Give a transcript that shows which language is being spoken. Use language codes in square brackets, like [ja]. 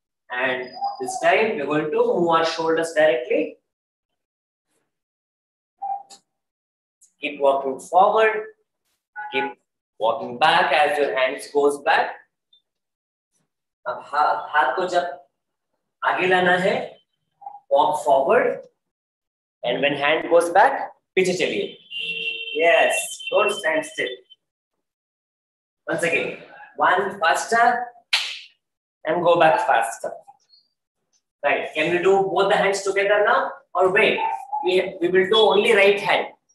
[en] And this time we're going to move our shoulders directly. Keep walking forward, keep walking back as your hands goes back. [hi] अब हाथ को जब आगे लाना है, [en] walk forward. And when hand goes back, [hi] पीछे चलिए. [en] Yes, don't stand still. Once again, one faster and go back faster. Right, can we do both the hands together now? Or wait, we will do only right hand.